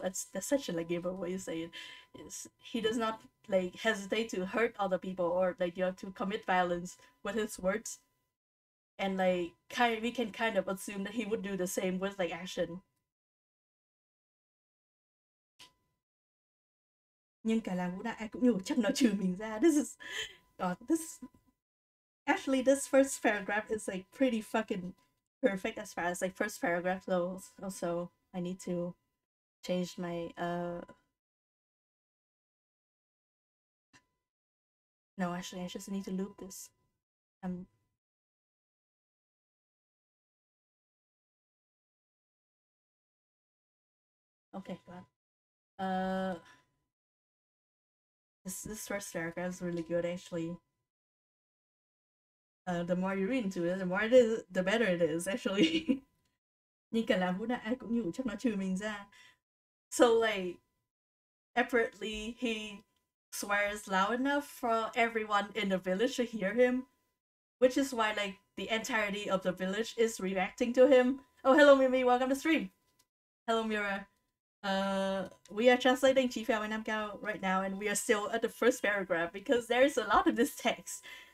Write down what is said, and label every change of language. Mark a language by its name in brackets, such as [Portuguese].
[English] That's such a like giveaway to say it. He does not like hesitate to hurt other people or like you know to commit violence with his words, and like we can kind of assume that he would do the same with like action. [Vietnamese] Nhưng cả làng Vũ Đại cũng nhủ chắc nó trừ mình ra. [English] This is God, this Actually, this first paragraph is like pretty fucking perfect as far as like first paragraph goes. Also, I need to change my No, actually, I just need to loop this. Okay, God. This first paragraph is really good, actually. The more you read into it, the more it is, the better it is, actually. [Vietnamese] Nhưng cả làm vũ đại ai cũng nhủ chắc nó trừ mình ra. [English] So like, apparently he swears loud enough for everyone in the village to hear him, which is why like the entirety of the village is reacting to him. Oh, hello Mimi, welcome to stream. Hello Mira. We are translating Chí Phèo and Nam Cao right now, and we are still at the first paragraph because there is a lot of this text.